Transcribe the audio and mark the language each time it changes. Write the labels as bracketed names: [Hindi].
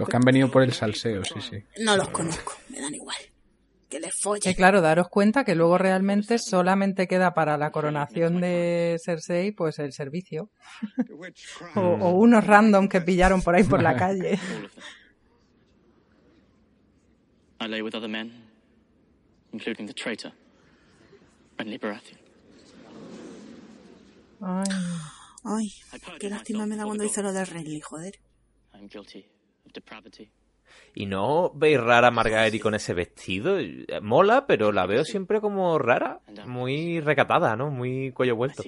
[Spanish] Los que han venido por el salseo, sí, sí. No los conozco, me dan igual. Que les follen. Y claro, daros cuenta que luego realmente solamente queda para la coronación de Cersei, pues el servicio. O unos random que pillaron por ahí por la calle. [English] I lay with other men, including the traitor and Liberathion. [Spanish] Ay, qué lástima me da cuando hizo lo del Renly, joder. [English] I'm guilty of depravity. [Spanish] Y no veis rara a Margaery con ese vestido. Mola, pero la veo siempre como rara. Muy recatada, ¿no? Muy cuello vuelto.